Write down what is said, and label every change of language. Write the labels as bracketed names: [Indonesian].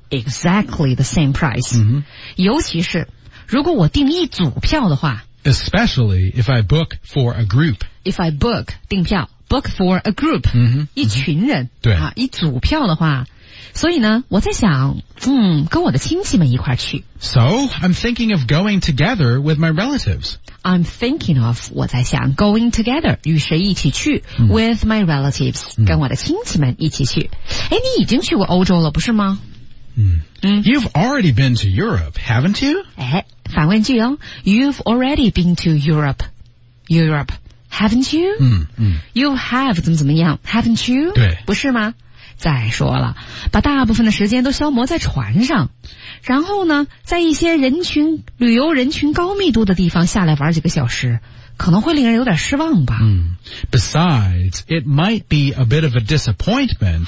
[English] Exactly the same price.、 [Chinese] 尤其是如果我订一组票的话 [English] Especially if I book for a group. If I book, [Chinese] 订票 [English] book for a group,、 [Chinese] 一群人、对啊，一组票的话，所以呢，我在想，跟我的亲戚们一块去。 [English] So, I'm thinking of going together with my relatives. I'm thinking of, [Chinese] 我在想 [English] going together, [Chinese] 与谁一起去、 [English] with my relatives,、 [Chinese] 跟我的亲戚们一起去。诶，你已经去过欧洲了，不是吗？ [English] You've already been to Europe, haven't you? [Chinese] 诶反问句哦 [English] You've already been to Europe, haven't you?、You have [Chinese] 怎么怎么样 [English] haven't you? [Chinese] 对不是吗再说了把大部分的时间都消磨在船上然后呢在一些人群旅游人群高密度的地方下来玩几个小时可能会令人有点失望吧、 [English] Besides, it might be a bit of a disappointment